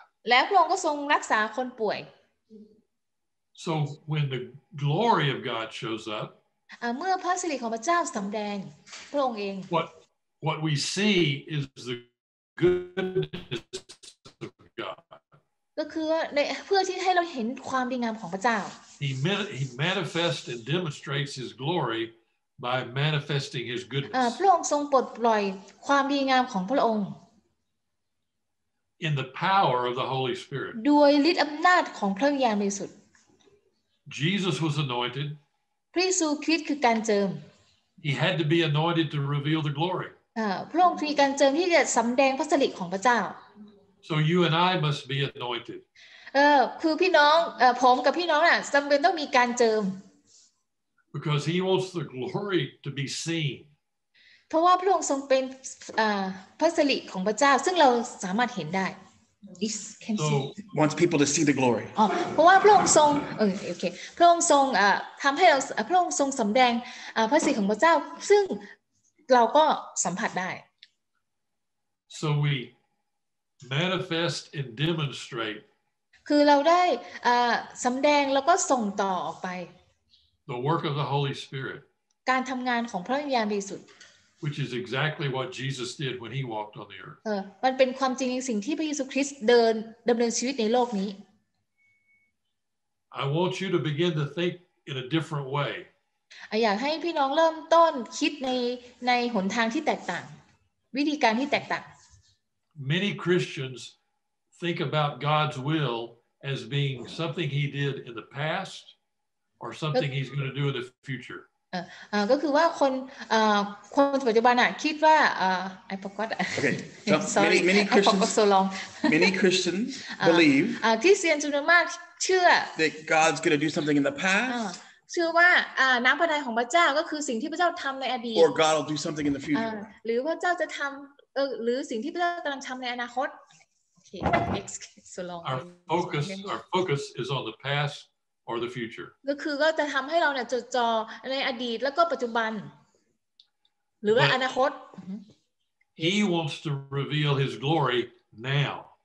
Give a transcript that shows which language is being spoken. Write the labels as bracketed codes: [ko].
[th] แล้วพระองค์ก็ทรงรักษาคนป่วย [en] So when the glory of God shows up [th] เมื่อพระสิริของพระเจ้าสำแดงพระองค์เอง [en] What we see is the goodness of God [th] ก็คือเพื่อที่ให้เราเห็นความดีงามของพระเจ้า [en] He manifests and demonstrates his glory by manifesting his goodness [th] พระองค์ทรงปลดปล่อยความดีงามของพระองค์ [en] in the power of the holy spirit [th] ด้วยฤทธิ์อํานาจของพระวิญญาณบริสุทธิ์ [en] Jesus was anointed [th] พระเยซูคริสต์คือการเจิม [en] he had to be anointed to reveal the glory [th] พระองค์มีการเจิมที่จะสําแดงพระสิริของพระเจ้า [en] so you and I must be anointed [th] คือพี่น้องผมกับพี่น้องน่ะจําเป็นต้องมีการเจิม [en] Because he wants the glory to be seen. [th] เพราะว่าพระองค์ทรงเป็นพระสิริของพระเจ้าซึ่งเราสามารถเห็นได้ [en] This can see. Wants people to see the glory. [th] เพราะว่าพระองค์ทรงโอเคพระองค์ทรงทำให้เราพระองค์ทรงสำแดงพระสิริของพระเจ้าซึ่งเราก็สัมผัสได้ [en] So we manifest and demonstrate. [th] คือเราได้สำแดงแล้วก็ส่งต่อออกไป [en] The work of the Holy Spirit, [th] การทำงานของพระวิญญาณบริสุทธิ์ [en] which is exactly what Jesus did when he walked on the earth. [th] มันเป็นความจริงในสิ่งที่พระเยซูคริสต์ดำเนินชีวิตในโลกนี้ [en] I want you to begin to think in a different way. [th] อยากให้พี่น้องเริ่มต้นคิดในหนทางที่แตกต่างวิธีการที่แตกต่าง [en] Many Christians think about God's will as being something he did in the past. Or something he's going to do in the future. [th] ก็คือว่าคนปัจจุบันอ่ะคิดว่า [en] I forgot. Okay. So many Christians. So long. Many Christians believe. [th] คริสเตียนจำนวนมากเชื่อ [en] that God's going to do something in the past. [th] เชื่อว่าน้ำพระทัยของพระเจ้าก็คือสิ่งที่พระเจ้าทำในอดีต [en] Or God will do something in the future. [th] หรือว่าเจ้าจะทำหรือสิ่งที่พระเจ้ากำลังทำในอนาคต [en] Okay. So long. Our focus is on the past. Or the future. [th] ก็คือก็จะทำให้เราเนี่ยจดในอดีตแล้วก็ปัจจุบันหรือว่าอนาคต [en] He wants to reveal His glory now.